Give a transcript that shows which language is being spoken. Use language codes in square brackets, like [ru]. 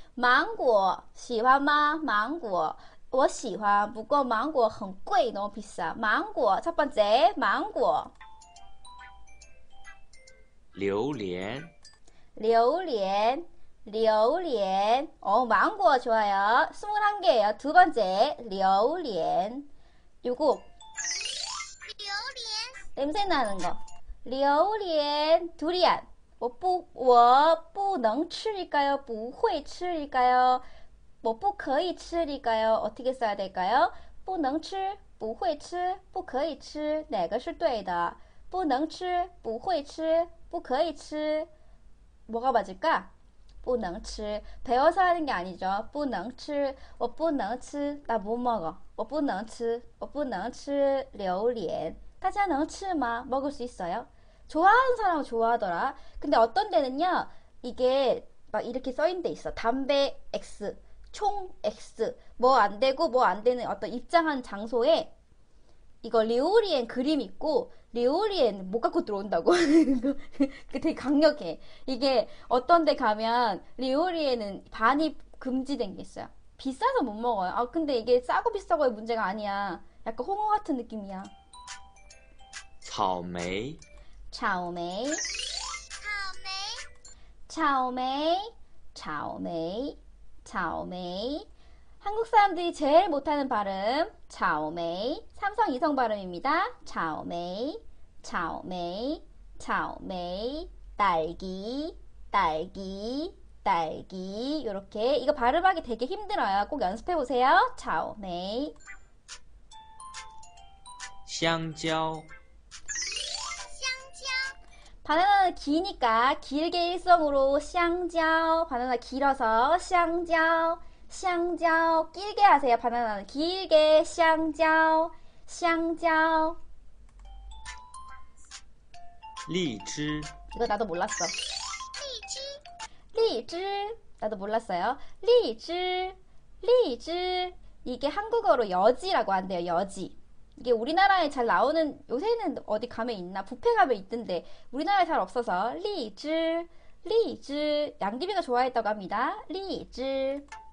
[zh] 芒果，喜欢吗？芒果，我喜欢，不过芒果很贵， [ko] 너무비싸。 [zh] 芒果， [ko] 첫번째， [zh] 芒果。榴莲。榴莲，榴莲，哦，芒果 [ko] 좋아요。 21개예요。 두번째，榴莲，요거，냄새나는거。 [zh] 榴莲，durian，我不能吃一个哟，不会吃一个哟，我不可以吃一个哟， [ko] 어떻게써야될까요？ [zh] 不能吃，不会吃，不可以吃，哪个是对的？不能吃，不会吃，不可以吃， [ko] 뭐가맞을까？ [zh] 不能吃， [ko] 배워서 하는 게 아니죠。 [zh] 不能吃，我不能吃， [ko] 나못먹어。 [zh] 我不能吃，我不能吃榴莲。大家能吃吗？ [ko] 먹을수있어요？ 좋아하는 사람은 좋아하더라. 근데 어떤 데는요, 이게 막 이렇게 써 있는 데 있어. 담배 X, 총 X, 뭐안 되고 뭐안 되는 어떤 입장한 장소에 이거 리오리엔 그림 있고 리오리엔 못 갖고 들어온다고. 그게 되게 강력해. 이게 어떤 데 가면 리오리엔은 반입 금지된 게 있어요. 비싸서 못 먹어요. 아, 근데 이게 싸고 비싸고의 문제가 아니야. 약간 홍어 같은 느낌이야. [zh] 草莓，草莓，草莓，草莓，草莓，草莓。 [ko] 한국 사람들이 제일 못하는 발음, 草莓，삼성 이성 발음입니다. [zh] 草莓，草莓，草莓， [ko] 딸기，딸기，딸기。 이렇게 이거 발음하기 되게 힘들어요. 꼭 연습해 보세요. 草莓。 [zh] 香蕉。 [ko] 바나나는 기니까 길게 일성으로 香蕉. 바나나 길어서 香蕉, 香蕉. 길게 하세요. 바나나는 길게 香蕉, 香蕉. [zh] 荔枝。 [ko] 이거 나도 몰랐어. 荔枝, 나도 몰랐어요. 荔枝, 荔枝. 이게 한국어로 여지라고 한대요, 여지. 이게 우리나라에 잘 나오는, 요새는 어디 가면 있나? 뷔페 가면 있던데, 우리나라에 잘 없어서, 리즈, 리즈. 양귀비가 좋아했다고 합니다. 리즈.